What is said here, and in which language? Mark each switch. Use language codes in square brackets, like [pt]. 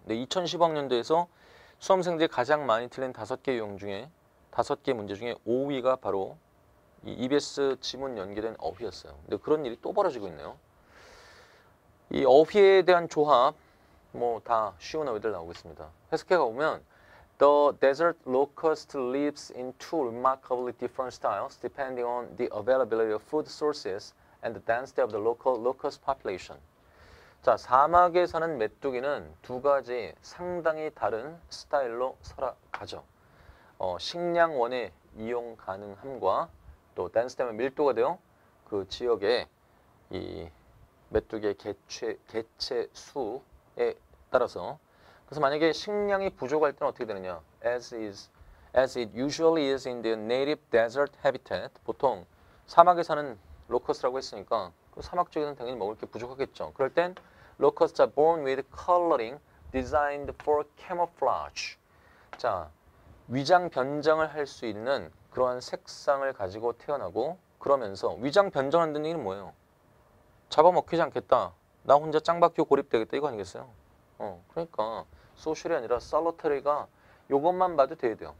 [ko] 근데 2015학년도에서 수험생들이 가장 많이 틀린 다섯 개 유형 중에 다섯 개 문제 중에 5위가 바로 이 EBS 지문 연계된 어휘였어요. 근데 그런 일이 또 벌어지고 있네요. 이 어휘에 대한 조합 뭐 다 쉬운 어휘들 나오고 있습니다. 해석해 가보면 [en] The desert locust lives in two remarkably different styles depending on the availability of food sources and the density of the local locust population. [ko] 자, 사막에 사는 메뚜기는 두 가지 상당히 다른 스타일로 살아가죠. 식량원의 이용 가능함과 또 density 밀도가 돼요. 그 지역의 이 메뚜기의 개체 수에 따라서 그래서 만약에 식량이 부족할 때는 어떻게 되느냐? [en] As it usually is in the native desert habitat. [ko] 보통 사막에 사는 로커스라고 했으니까 그 사막 쪽에는 당연히 먹을 게 부족하겠죠. 그럴 땐 로커스 [en] are born with coloring designed for camouflage. [ko] 자, 위장 변장을 할 수 있는 그러한 색상을 가지고 태어나고 그러면서 위장 변전한다는 얘기는 뭐예요? 잡아먹히지 않겠다. 나 혼자 짱박히고 고립되겠다. 이거 아니겠어요? 그러니까 소셜이 아니라 솔리터리가 이것만 봐도 돼야 돼요.